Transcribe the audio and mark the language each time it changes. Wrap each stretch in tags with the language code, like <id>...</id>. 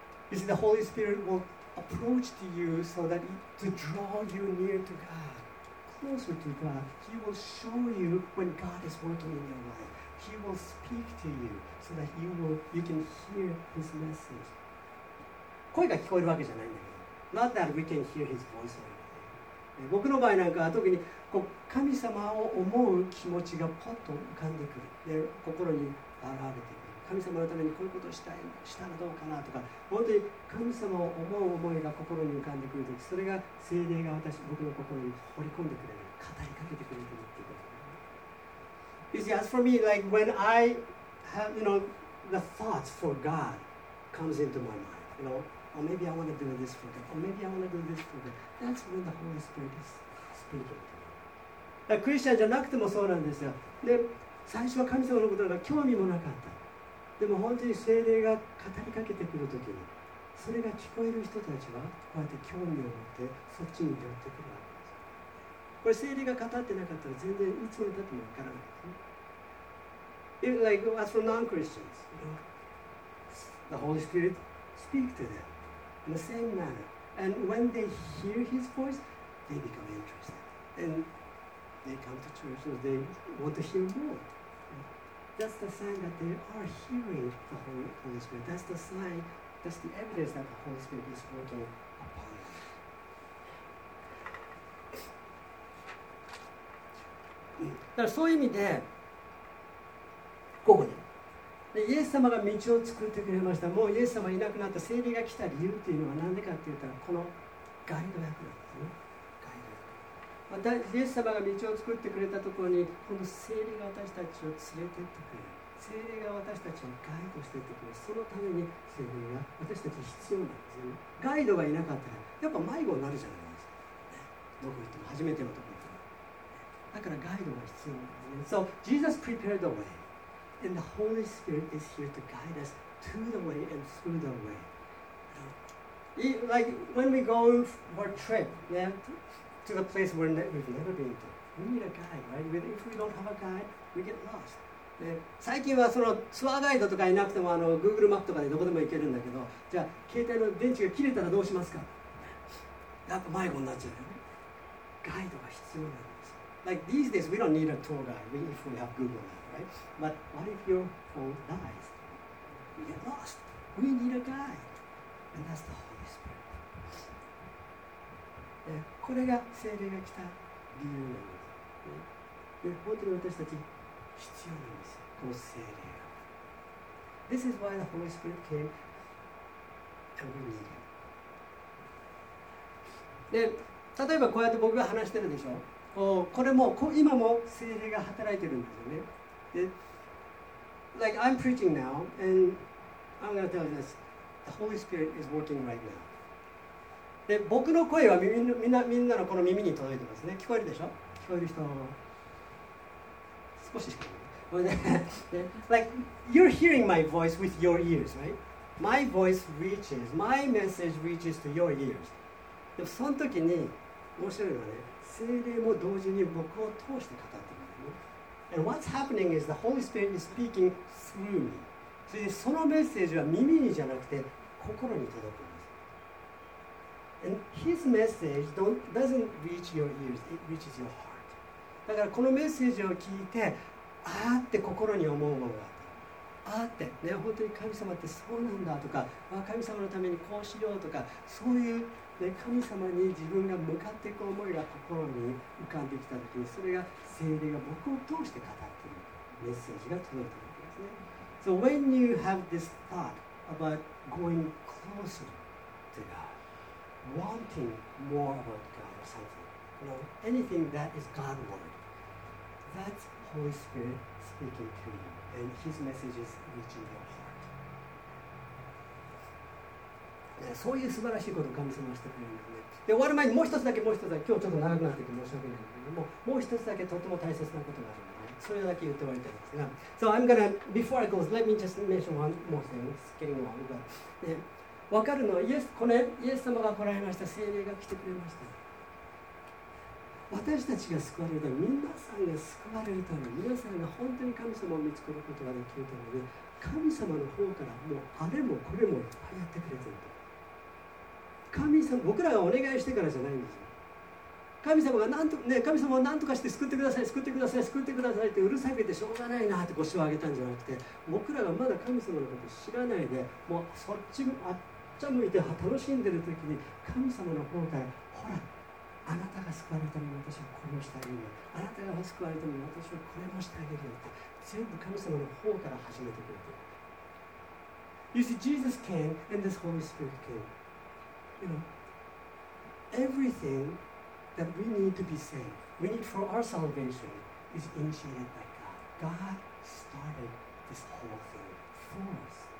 <en>You see, the Holy Spirit will approach to you so that to draw you near to God, closer to God. He will show you when God is working in your life. He will speak to you so that you can hear His message.</en> <ja>声が聞こえるわけじゃないんだけど。</ja> <en>Not that we can hear His voice or anything.</en> <ja>僕の場合なんかは特にこう神様を思う気持ちがポッと浮かんでくる。で、心に現れてくる。神様のためにこういうことをしたらどうかなとか、本当に神様を思う思いが心に浮かんでくるとき、それが聖霊が私、僕の心に掘り込んでくれる、語りかけてくれるっていうこと。</ja> <en>You see, as for me, like when I have, you know, the thoughts for God comes into my mind, you know, or maybe I want to do this for God, or maybe I want to do this for God, that's when the Holy Spirit is speaking to me.</en> <ja>クリスチャンじゃなくてもそうなんですよ。で最初は神様のことなんか興味もなかった。でも本当に聖霊が語りかけてくるときに、それが聞こえる人たちはこうやって興味を持ってそっちに寄ってくるわけです。これ聖霊が語ってなかったら全然いつまでたってもわからないですね。</ja> <en>It, like as for non-Christians, you know, the Holy Spirit speak to them in the same manner, and when they hear his voice they become interested and they come to church and they want to hear more. That's the sign that they are hearing the Holy Spirit. That's the sign, that's the evidence that the Holy Spirit is working upon them.</en> <ja>だからそういう意味でここにイエス様が道を作ってくれました。もうイエス様いなくなった聖霊が来た理由っていうのは何でかって言ったら、このガイド役なんですね。ガイド役。イエス様が道を作ってくれたところに、この聖霊が私たちを連れてってくれる。聖霊が私たちをガイドしてってくれる。そのために聖霊が私たち必要なんですよね。ガイドがいなかったら、やっぱ迷子になるじゃないですか。どこ行っても初めてのところ。だからガイドが必要なんですね。</ja> <en>So, Jesus prepared the way. And the Holy Spirit is here to guide us to the way and through the way. Like when we go for a trip, yeah, to the place where we've never been to, we need a guide, right? If we don't have a guide, we get lost.</en> <ja>最近はそのツアーガイドとかいなくてもあの Google マップとかでどこでも行けるんだけど、じゃあ携帯の電池が切れたらどうしますか？やっぱ迷子になっちゃうよね。ガイドが必要なんです。</ja> <en>Like these days, we don't need a tour guide if we have Google Maps. Right? But what if your phone dies? We get lost. We need a guide. And that's the Holy Spirit.</en> <ja>で、これが聖霊が来た理由なんです。で、本当に私たち必要なんです。この聖霊が。</ja> <en>This is why the Holy Spirit came. And we need him.</en> <ja>で、例えばこうやって僕が話してるでしょ。これも今も聖霊が働いてるんですよね。</ja> <en>Like I'm preaching now, and I'm going to tell you this: the Holy Spirit is working right now.</en> <ja>で、僕の声はみんなのこの耳に届いてますね。聞こえるでしょ？聞こえる人少ししか聞こえない。</ja> <en>Like you're hearing my voice with your ears, right? My voice reaches, my message reaches to your ears.</en> <ja>でもその時に面白いのはね、聖霊も同時に僕を通して語ってる。</ja> <en>And what's happening is the Holy Spirit is speaking through me.</en> <ja>So, そのメッセージは耳にじゃなくて心に届くんです。</ja> <en>And His message doesn't reach your ears, it reaches your heart.</en> <ja>だからこのメッセージを聞いて、あーって心に思うものがあった。あーって、ね、本当に神様ってそうなんだとか、まあ、神様のためにこうしようとか、そういう、ね、神様に自分が向かっていく思いが心に浮かんできたときに、それが聖霊が僕を通して語っているメッセージが届いたわけですね。</ja> <en>So when you have this thought about going closer to God, wanting more about God or something, you know, anything that is God's word, that's Holy Spirit speaking to you, and His message is reaching your heart.</en> <ja>そういう素晴らしいことを神様はしてくれるんですね。で、終わる前にもう一つだけ、今日ちょっと長くなってて申し訳ないけど、もう一つだけとても大切なことがあるので、ね、それだけ言っておいたんですが、</ja> <en>So I'm gonna, before I go, let me just mention one more thing, it's getting long, but、</en> <ja>ね、わかるのは、イエス様が来られました、聖霊が来てくれました。私たちが救われるために、皆さんが救われるために、皆さんが本当に神様を見つけることができるために、神様の方からもうあれもこれもやってくれてると。神様、僕らがお願いしてからじゃないんですよ。神様が何と、ね、神様は何とかして救ってください、救ってください、救ってくださいってうるさくてしょうがないなって腰を上げたんじゃなくて、僕らがまだ神様のこと知らないで、もうそっちあっちゃ向いて楽しんでる時に、神様の方から、ほら、あなたが救われるために私はこれをしてあげるよ。あなたが救われるために私はこれもしてあげるよって、全部神様の方から始めてくれて。</ja> <en>You see, Jesus came and this Holy Spirit came. You know, everything that we need to be saved, we need for our salvation, is initiated by God. God started this whole thing for us.</en>